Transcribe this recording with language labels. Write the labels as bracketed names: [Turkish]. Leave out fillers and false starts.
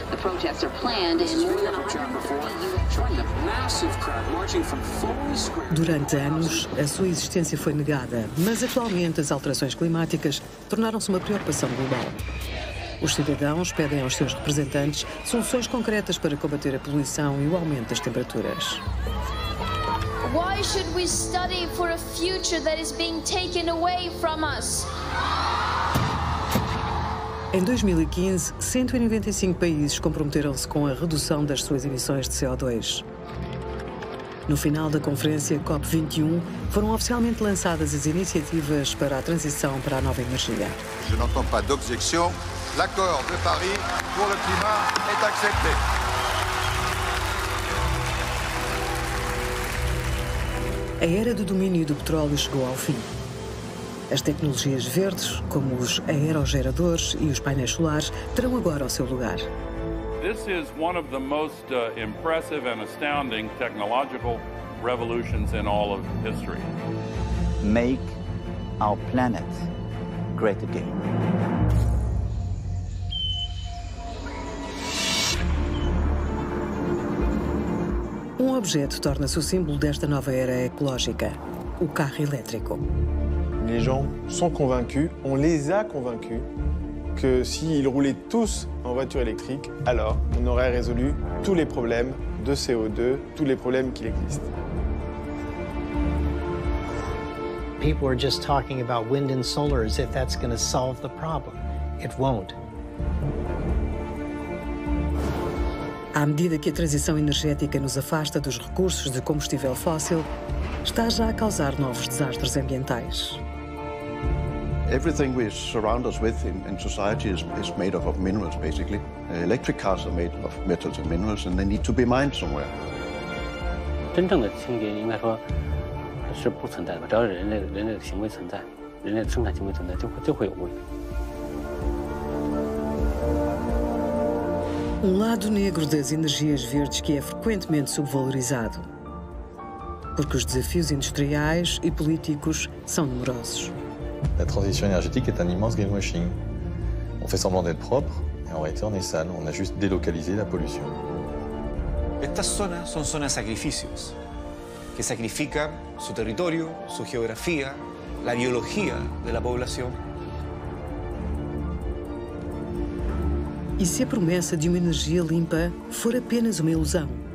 [English] The protests are planned in more than 100 massive crowd marching from Foley Square. [Portuguese] Durante anos, a sua existência foi negada, mas atualmente as alterações climáticas tornaram-se uma preocupação global. Os cidadãos pedem aos seus representantes soluções concretas para combater a poluição e o aumento das temperaturas. [English] Why should we study for a future that is being taken away from us? [Portuguese] Em 2015, 195 países comprometeram-se com a redução das suas emissões de CO2. No final da conferência COP21, foram oficialmente lançadas as iniciativas para a transição para a nova energia. [French] Je n'entends pas d'objection. L'accord de Paris pour le climat est accepté. [Portuguese] A era do domínio do petróleo chegou ao fim. As tecnologias verdes, como os aerogeradores e os painéis solares, terão agora o seu lugar. [English] This is one of the most impressive and astounding technological revolutions in all of history. Make our planet great again. [Portuguese] Um objeto torna-se o símbolo desta nova era ecológica, o carro elétrico. [French] Les gens sont convaincus, on les a convaincus que si ils roulaient tous en voiture électrique, alors on aurait résolu tous les problèmes de CO2, tous les problèmes qui existent. [English] People are just talking about wind and solar as if that's going to solve the problem. It won't. [Portuguese] À medida que a transição energética nos afasta dos recursos de combustível fóssil, está já a causar novos desastres ambientais. [English] Everything we surround us with in society is made up of minerals, basically. Electric cars are made of metals and minerals, and they need to be mined somewhere. [Chinese] 真正的清洁应该说是不存在的，只要人类的行为存在，人类的生产行为存在，就会有污染。 [Portuguese] Um lado negro das energias verdes que é frequentemente subvalorizado. Porque os desafios industriais e políticos são numerosos. A transição energética é um imenso greenwashing. [French] On fait semblant d'être propre, et en réalité, on est sale. On a juste délocalisé la pollution. [Portuguese] Estas zonas são zonas sacrifícios que sacrificam seu território, sua geografia, a biologia da população. E se a promessa de uma energia limpa for apenas uma ilusão?